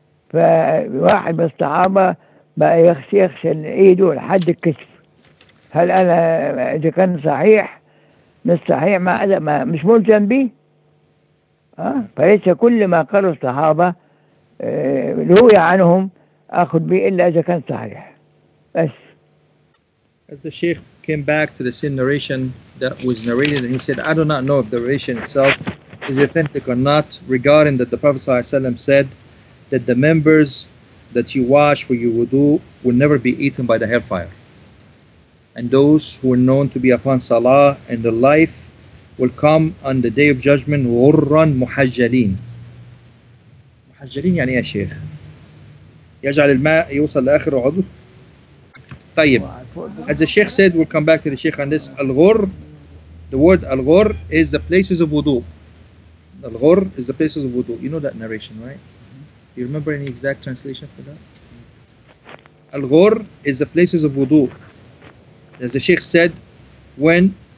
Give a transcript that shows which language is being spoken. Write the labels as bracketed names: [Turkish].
[Arabic] فواحد من الصحابة بقى يغسل ايده لحد الكتف. هل انا اذا كان صحيح مش صحيح، ما مش ملزم به؟ فليس كل ما قاله الصحابة روي عنهم اخذ به الا اذا كان صحيح. بس [English] As the Sheikh came back to the same narration that was narrated, and he said, I do not know if the narration itself is authentic or not, regarding that the Prophet ﷺ said that the members that you wash for your wudu will never be eaten by the hellfire. And those who are known to be upon salah in the life will come on the day of judgment, ghurran muhajjalin. [Arabic] Muhajjalin يعني يا شيخ؟ يجعل الماء يوصل لآخر عضو؟ طيب. [English] As the Sheikh said, we'll come back to the Sheikh on this. Al-ghur, the word al-ghur is the places of wudu. Al-ghur is the places of wudu. You know that narration, right? Do you remember any exact translation for that? Al-ghur is the places of wudu. As the Sheikh said, when